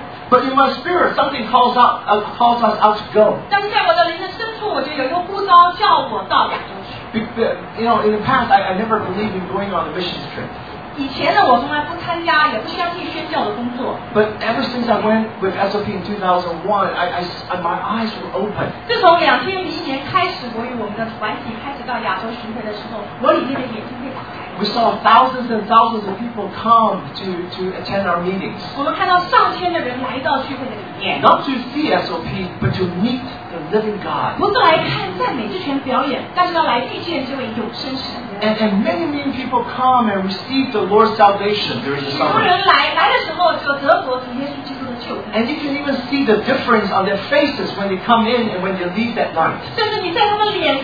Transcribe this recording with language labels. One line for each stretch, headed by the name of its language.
English: But in my spirit, something calls us out to go. you know, in the past, I never believed in going on a missions trip.
Chinese: 以前呢，我从来不参加，也不相信宣教的工作。
English: But ever since I went with SOP in 2001, my eyes were open.
Chinese: 自从2001年开始，我与我们的团体开始到亚洲巡回的时候，我里面的眼睛被打开。
English: We saw thousands and thousands of people come to attend our meetings.
Chinese: 我们看到上千的人来到聚会的里面。
English: Not to see SOP, but to meet the living God.
Chinese: 不是来看赞美之泉表演，但是要来遇见这位永生神。
English: And many, many people come and receive the Lord's salvation. There is a salvation. And you can even see the difference on their faces when they come in and when they leave that night.